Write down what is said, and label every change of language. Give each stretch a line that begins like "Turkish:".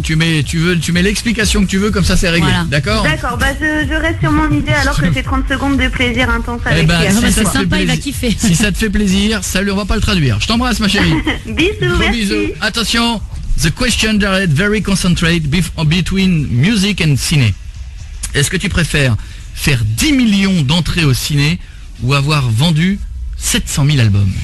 French: Tu mets l'explication que tu veux, comme ça c'est réglé. Voilà. D'accord. D'accord. Bah je reste sur mon idée, alors que c'est 30 secondes de plaisir intense avec toi. Si c'est sympa, il va kiffer. Si ça te fait plaisir, salut, on va pas le traduire. Je t'embrasse, ma chérie. Bisous. Gros bisous. Attention.
English: The question Jared, very concentrated between music and ciné.
French: Est-ce que tu préfères faire 10 millions d'entrées au ciné ou avoir vendu 700 000 albums?